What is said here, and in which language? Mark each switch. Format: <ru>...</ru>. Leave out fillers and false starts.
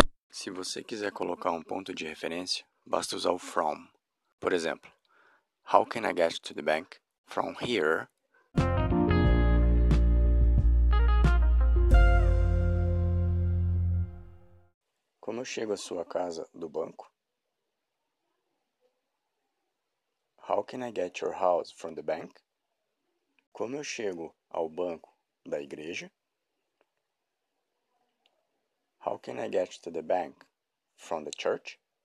<pt>Se você quiser colocar um ponto de referência, basta usar o from. Por exemplo,</pt> <en>How can I get to the bank from here?</en> <pt>Como eu chego à sua casa do banco?</pt> <en>How can I get your house from the bank?</en> <pt>Como eu chego ao banco da igreja?</pt> <en>How can I get to the bank from the church?</en>